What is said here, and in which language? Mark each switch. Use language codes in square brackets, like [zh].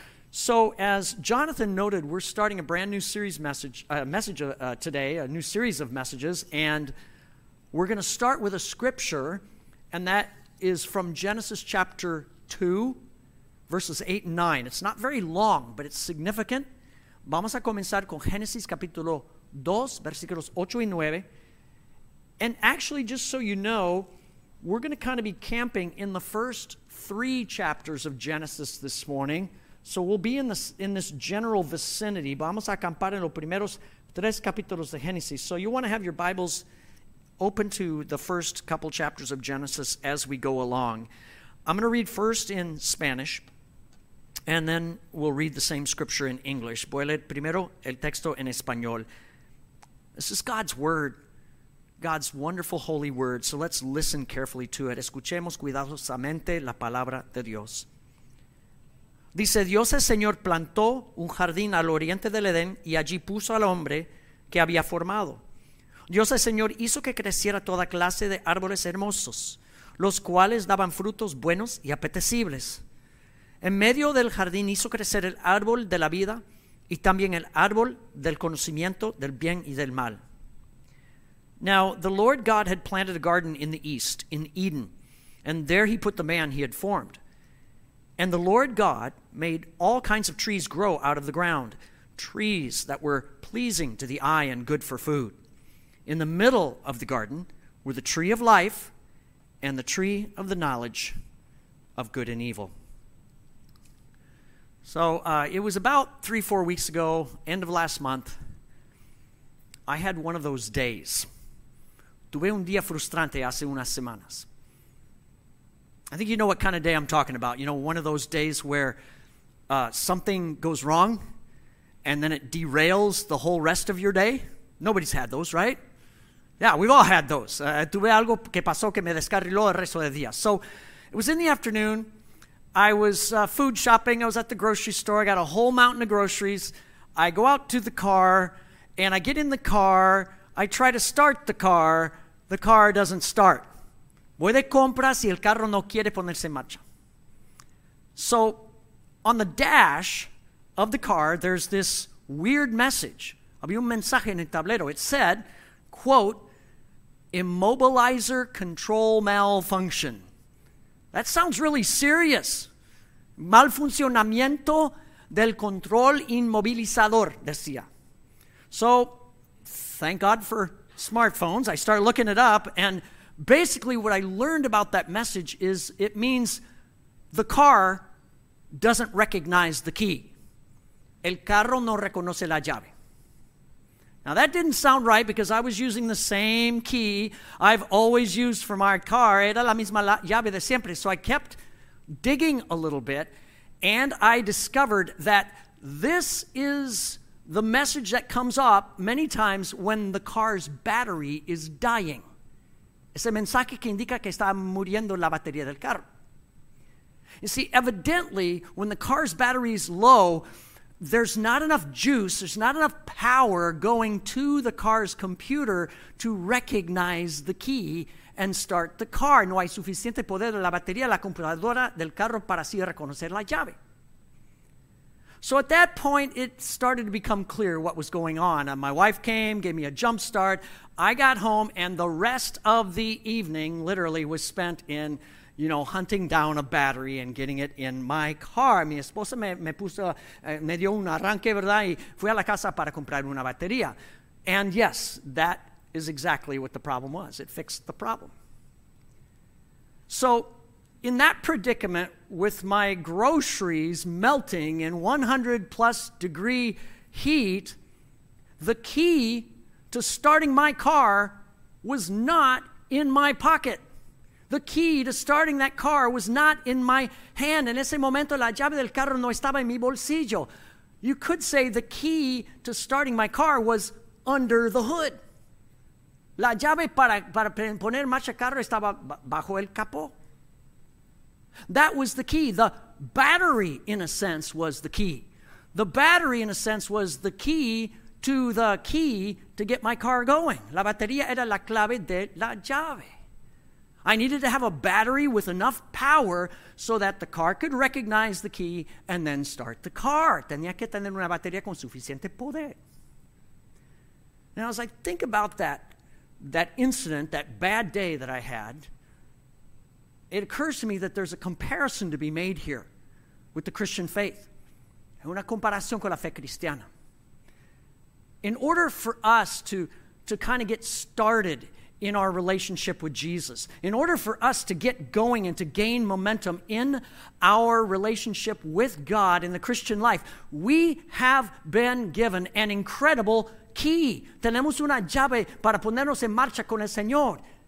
[en] So as Jonathan noted, we're starting a brand new series message today, a new series of messages, and we're going to start with a scripture, and that is from Genesis chapter 2, verses 8 and 9. It's not very long, but it's significant. [es] Vamos a comenzar con Genesis capítulo 2, versículos 8 y 9. [en] And actually, just so you know, we're going to kind of be camping in the first three chapters of Genesis this morning. So we'll be in this general vicinity. [es] Vamos a acampar en los primeros tres capítulos de Génesis. [en] So you want to have your Bibles open to the first couple chapters of Genesis as we go along. I'm going to read first in Spanish, and then we'll read the same scripture in English. [es] Voy a leer primero el texto en español. [en] This is God's word, God's wonderful holy word. So let's listen carefully to it. [es] Escuchemos cuidadosamente la palabra de Dios. Dice, Dios el Señor plantó un jardín al oriente del Edén y allí puso al hombre que había formado. Dios el Señor hizo que creciera toda clase de árboles hermosos, los cuales daban frutos buenos y apetecibles. En medio del jardín hizo crecer el árbol de la vida y también el árbol del conocimiento del bien y del mal. [en] Now, the Lord God had planted a garden in the east, in Eden, and there he put the man he had formed. And the Lord God made all kinds of trees grow out of the ground, trees that were pleasing to the eye and good for food. In the middle of the garden were the tree of life and the tree of the knowledge of good and evil. So it was about 3-4 weeks ago, end of last month, I had one of those days. [es] Tuve un día frustrante hace unas semanas. [en] I think you know what kind of day I'm talking about. You know, one of those days where something goes wrong and then it derails the whole rest of your day. Nobody's had those, right? Yeah, we've all had those. [es] Tuve algo que pasó que me descarriló el resto del día. [en] So it was in the afternoon. I was food shopping. I was at the grocery store. I got a whole mountain of groceries. I go out to the car and I get in the car. I try to start the car. The car doesn't start. [es] Voy de compras y el carro no quiere ponerse en marcha. [en] So, on the dash of the car, there's this weird message. [es] Había un mensaje en el tablero. [en] It said, quote, immobilizer control malfunction. That sounds really serious. [es] Malfuncionamiento del control inmovilizador, decía. [en] So, thank God for smartphones. I started looking it up and basically, what I learned about that message is it means the car doesn't recognize the key. [es] El carro no reconoce la llave. [en] Now, that didn't sound right because I was using the same key I've always used for my car. [es] Era la misma llave de siempre. [en] So I kept digging a little bit, and I discovered that this is the message that comes up many times when the car's battery is dying. [es] Ese mensaje que indica que está muriendo la batería del carro. [en] You see, evidently, when the car's battery is low, there's not enough juice, there's not enough power going to the car's computer to recognize the key and start the car. [es] No hay suficiente poder de la batería de la computadora del carro para así reconocer la llave. [en] So at that point, it started to become clear what was going on. My wife came, gave me a jump start. I got home, and the rest of the evening literally was spent in, you know, hunting down a battery and getting it in my car. [es] Mi esposa me dio un arranque, ¿verdad? Y fui a la casa para comprar una batería. [en] And yes, that is exactly what the problem was. It fixed the problem. So in that predicament, with my groceries melting in 100-plus degree heat, the key to starting my car was not in my pocket. The key to starting that car was not in my hand. [es] En ese momento, la llave del carro no estaba en mi bolsillo. [en] You could say the key to starting my car was under the hood. [es] La llave para poner marcha carro estaba bajo el capó. [en] That was the key. The battery, in a sense, was the key. The battery, in a sense, was the key to the key to get my car going. [es] La batería era la clave de la llave. [en] I needed to have a battery with enough power so that the car could recognize the key and then start the car. [es] Tenía que tener una batería con suficiente poder. [en] Now, as I think about that incident, that bad day that I had, it occurs to me that there's a comparison to be made here with the Christian faith. [es] Una comparación con la fe cristiana. [en] In order for us to kind of get started in our relationship with Jesus, in order for us to get going and to gain momentum in our relationship with God in the Christian life, we have been given an incredible key. [es] Tenemos una llave para ponernos en marcha con el Señor.